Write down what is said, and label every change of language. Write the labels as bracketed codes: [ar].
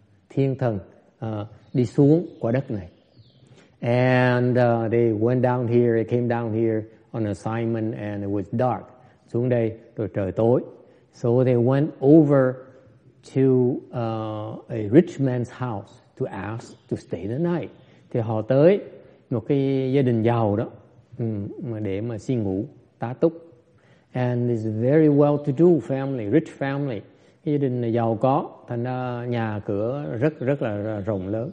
[vi] Thiên thần đi xuống qua đất này. [en] And they went down here, they came down here on assignment and it was dark. [vi] Xuống đây rồi trời tối. [en] So they went over to a rich man's house to ask to stay the night. [vi] Thì họ tới một cái gia đình giàu đó mà để mà xin ngủ tá túc. [en] And this very well-to-do family, rich family, [vi] cái gia đình này giàu có, thành ra nhà cửa rất là rộng lớn.